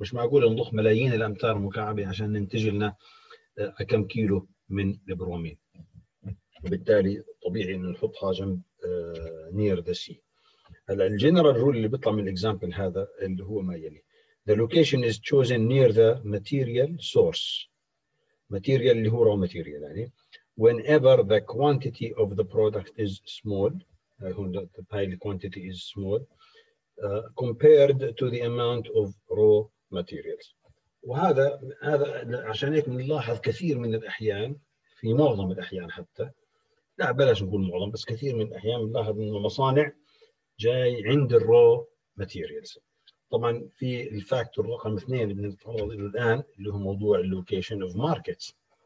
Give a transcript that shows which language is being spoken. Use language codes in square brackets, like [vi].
[ar] مش معقول نضخ ملايين الامتار المكعبه عشان ننتج لنا كم كيلو من البرومين، وبالتالي طبيعي انه نحطها جنب نير ذا سي. هلا الجنرال رول اللي بيطلع من الاكزامبل هذا اللي هو ما يلي: [en] The location is chosen near the material source. [ar] Material اللي هو raw material يعني. [en] Whenever the quantity of the product is small, the pile quantity is small, compared to the amount of raw materials. [ar] وهذا عشان هيك بنلاحظ كثير من الأحيان، في معظم الأحيان حتى، لا بلاش نقول معظم، بس كثير من الأحيان بنلاحظ إنه المصانع جاي عند الرو ماتيريالز. طبعا في الفاكتور رقم اثنين اللي بنتعرض له الآن، اللي هو موضوع اللوكيشن اوف ماركتس.